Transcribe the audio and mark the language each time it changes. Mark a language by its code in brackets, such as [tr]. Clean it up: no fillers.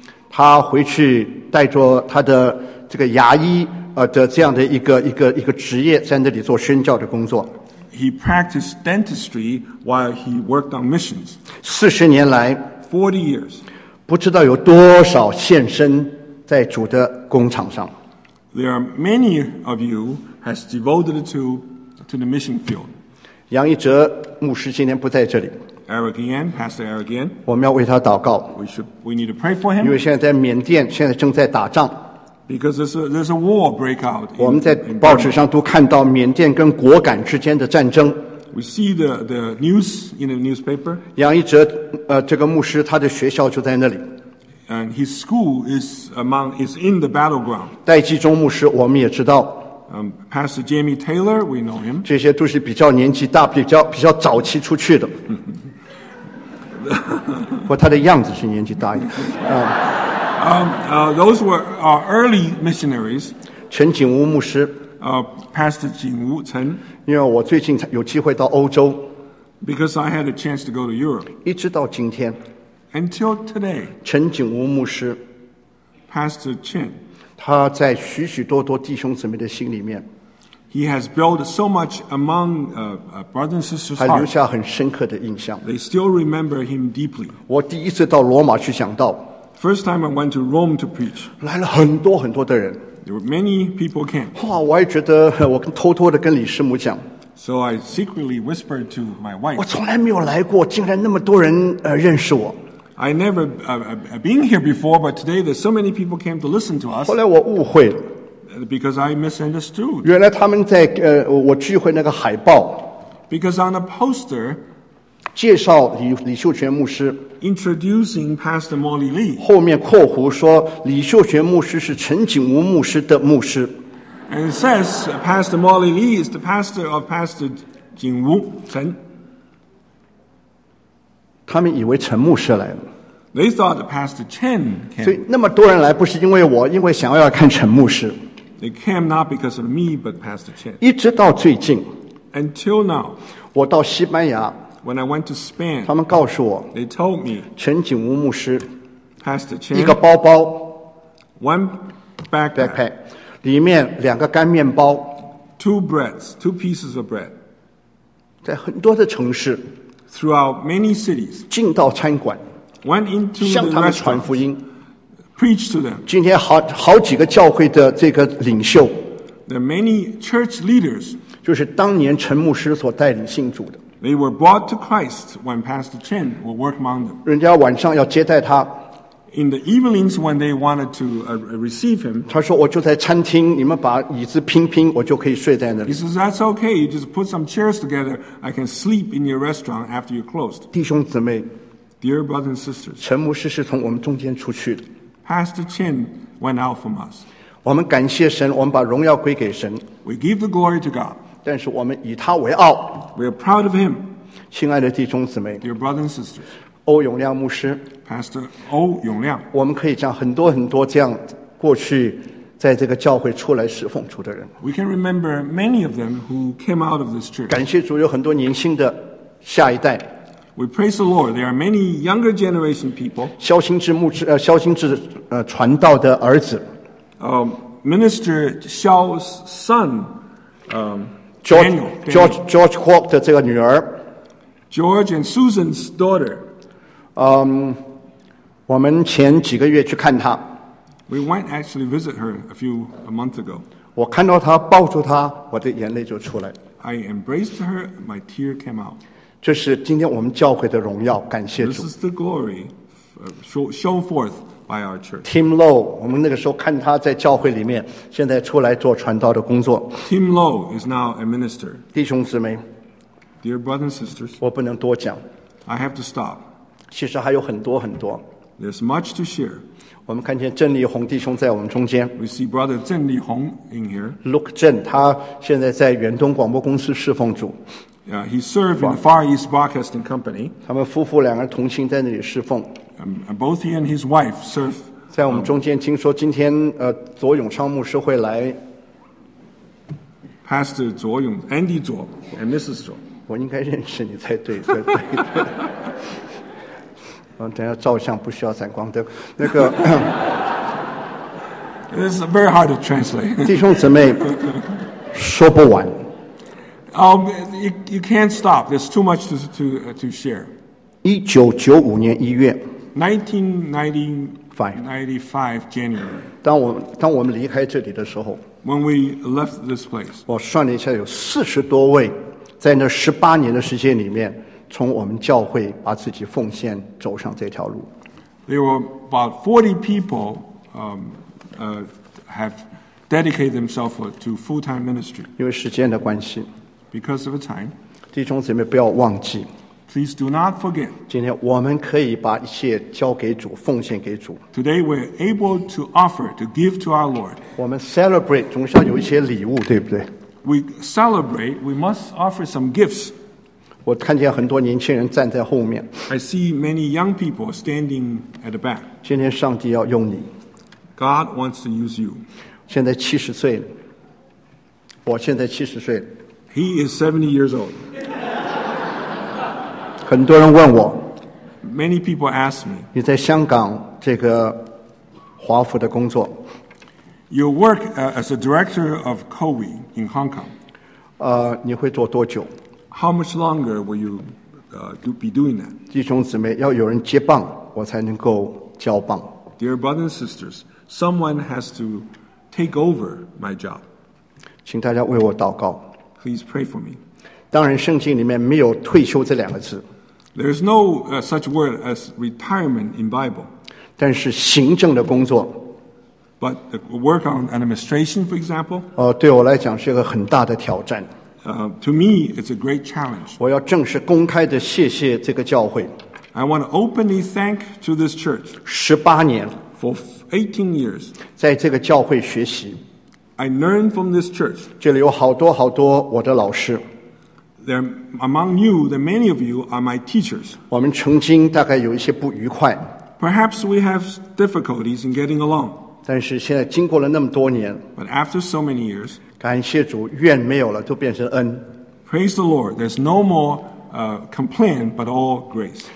[zh] 他回去带着他的这个牙医的这样的一个职业，在那里做宣教的工作。 [en] He practiced dentistry while he worked on missions. [zh] 四十年来 [en] ，40 years， [zh] 不知道有多少献身在主的工厂上。 [en] There are many of you has devoted to the mission field. [zh] 杨一哲牧师今天不在这里。 [en] Eric Yan, Pastor Eric Yan. [zh] 我们要为他祷告。 [en] We need to pray for him. [zh] 因为现在在缅甸，现在正在打仗。 [en] Because there's a war breakout. [zh] 我们在报纸上都看到缅甸跟果敢之间的战争。 [en] We see the news in the newspaper. [zh] 杨一哲这个牧师他的学校就在那里。 [en] And his school is in the battleground. [zh] 戴季中牧师我们也知道。 [en] Pastor Jamie Taylor, we know him. [zh] 这些都是比较年纪大、比较早期出去的。不，他的样子是年纪大一点。 [en] Those were early missionaries. [zh] 陈景吾牧师。 [en] Pastor 景吾陈。 [zh] 因为我最近有机会到欧洲。 [en] Because I had a chance to go to Europe. [zh] 一直到今天。 [en] Until today. [zh] 陈景吾牧师。 [en] Pastor Chen. [zh] 他在许许多多弟兄姊妹的心里面 [en] ，He has built so much among brothers and sisters. [zh] 他留下很深刻的印象。 [en] They still remember him deeply. [zh] 我第一次到罗马去讲道 [en] ，First time I went to Rome to preach. [zh] 来了很多很多的人 [en] ，There were many people came. [zh] 哇，我也觉得我偷偷的跟李师母讲 [en] ，So I secretly whispered to my wife. [zh] 我从来没有来过，竟然那么多人认识我。 [en] I never been here before, but today there's so many people came to listen to us. [zh] 后来我误会了 [en] because I misunderstood. [zh] 原来他们在我聚会那个海报 [en] because on a poster [zh] 介绍李秀全牧师 [en] introducing Pastor Molly Lee. [zh] 后面括弧说李秀全牧师是陈景吾牧师的牧师 [en] and it says Pastor Molly Lee is the pastor of Pastor 景吾陈。 [zh] 他们以为陈牧师来了。 [en] They thought Pastor Chen came. [zh] 所以那么多人来不是因为我，因为想要看陈牧师。 [en] They came not because of me, but Pastor Chen. [zh] 一直到最近。 [en] Until now. [zh] 我到西班牙。 [en] When I went to Spain. [zh] 他们告诉我。 [en] They told me. [zh] 陈景吾牧师。 [en] Pastor Chen. [zh] 一个包包。 [en] One backpack. [zh] 里面两个干面包。 [en] Two breads, two pieces of bread. [zh] 在很多的城市 [en] throughout many cities [zh] 进到餐馆 [en] went into [zh] 向他们传福音 [en] preach to them [zh] 今天 好几个教会的这个领袖 [en] the many church leaders [zh] 就是当年陈牧师所带领信主的 [en] they were brought to Christ when Pastor Chen were working among them [zh] 人家晚上要接待他 [en] In the evenings when they wanted to receive him, [zh] 他说我就在餐厅，你们把椅子拼拼，我就可以睡在那里。 [en] He says that's okay. You just put some chairs together. I can sleep in your restaurant after you closed. [zh] 弟兄姊妹 [en] ，Dear brothers and sisters, [zh] 陈牧师是从我们中间出去的。 [en] Pastor Chen went out from us. [zh] 我们感谢神，我们把荣耀归给神。 [en] We give the glory to God. [zh] 但是我们以他为傲。 [en] We are proud of him. [zh] 亲爱的弟兄姊妹 [en] ，Dear brothers and sisters. [zh] 欧永亮牧师 [en] Pastor 欧永亮 [zh] 我们可以讲很多很多这样过去在这个教会出来侍奉主的人 [en] We can remember many of them who came out of this church [zh] 感谢主有很多年轻的下一代 [en] We praise the Lord There are many younger generation people [zh] 肖兴志牧师肖兴志传道的儿子 [en] Minister 肖 son [zh] George Kwok 的这个女儿 [en] George and Susan's daughter [zh] 我们前几个月去看他。 [en] We went actually visit her a month ago. [zh] 我看到他抱住他，我的眼泪就出来。 [en] I embraced her, my tear came out. [zh] 这是今天我们教会的荣耀，感谢主。 [en] This is the glory show forth by our church. [zh] Tim Low, 我们那个时候看他在教会里面，现在出来做传道的工作。 [en] Tim Low is now a minister. [zh] 弟兄姊妹 [en] ，Dear brothers and sisters, [zh] 我不能多讲。 [en] I have to stop. [zh] 其实还有很多很多。 [en] There's much to share. [zh] 我们看见郑立宏弟兄在我们中间。 [en] We see brother 郑立宏 in here. [zh] Look, 郑，他现在在远东广播公司侍奉主。 [en] Yeah, he served in the Far East Broadcasting Company. [zh] 他们夫妇两个同心在那里侍奉。 [en] Both he and his wife serve. [zh] 在我们中间，听说今天左永昌牧师会来。 [en] Pastor 左永 Andy 左 and Mrs. 左。 [zh] 我应该认识你才对。对对对等下照相不需要闪光灯。那个 [en] ，It's very hard to translate. [zh] 弟兄姊妹，说不完。 [en] You can't stop. There's too much to share. [zh] 1995年1月。 [en] 1995 January. [zh] 当我们离开这里的时候 [en] ，When we left this place. [zh] 我算了一下，有40多位在那18年的时间里面。从我们教会把自己奉献走上这条路。 [en] There were about 40 people have dedicated themselves to full-time ministry. [zh] 因为时间的关系。 [en] Because of the time. [zh] 弟兄姊妹不要忘记。 [en] Please do not forget. [zh] 今天我们可以把一切交给主，奉献给主。 [en] Today we're able to offer to give to our Lord. [zh] 我们 celebrate 总是要有一些礼物，对不对 [en] ？We celebrate. We must offer some gifts. [zh] 我看见很多年轻人站在后面。 [en] I see many young people standing at the back. [zh] 今天上帝要用你。 [en] God wants to use you. [zh] 现在70岁了。我现在70岁了。 [en] He is 70 years old. [zh] 很多人问我。 [en] Many people ask me. [zh] 你在香港这个华府的工作。 [en] You work as a director of COWI in Hong Kong. [zh] 你会做多久？ [en] How much longer will you be doing that? [zh] 弟兄姊妹，要有人接棒，我才能够交棒。 [en] Dear brothers and sisters, someone has to take over my job. [zh] 请大家为我祷告。 [en] Please pray for me. [zh] 当然，圣经里面没有退休这两个字。 [en] There is no such word as retirement in Bible. [zh] 但是行政的工作。 [en] But the work on administration, for example. [zh] 对我来讲是一个很大的挑战。 [en] To me, it's a great challenge. [zh] 我要正式公开的谢谢这个教会。 [en] I want to openly thank to this church. [zh] 18年 [en] for 18 years. [zh] 在这个教会学习。 [en] I learned from this church. [zh] 这里有好多好多我的老师。 [en] There among you, there many of you are my teachers. [zh] 我们曾经大概有一些不愉快。 [en] Perhaps we have difficulties in getting along. [zh] 但是现在经过了那么多年。 [en] But after so many years. [zh] 感谢主，怨没有了，都变成恩。 [en] Praise the Lord, there's no more complaint, but all grace.